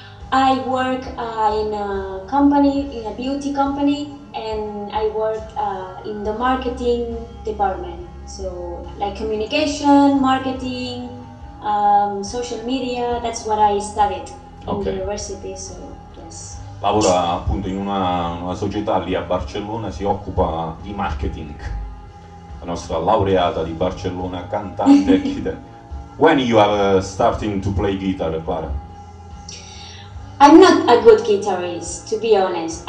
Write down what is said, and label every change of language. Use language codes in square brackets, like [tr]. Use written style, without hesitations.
[en] I work in a company, in a beauty company, and I work in the marketing department. So like communication, marketing, social media, that's what I studied. Okay. Yes. [it] Lavora appunto in una società lì a Barcellona, si occupa di marketing. La nostra laureata di Barcellona, cantante. [en] When you are starting to play guitar, Clara? I'm not a good guitarist, to be honest.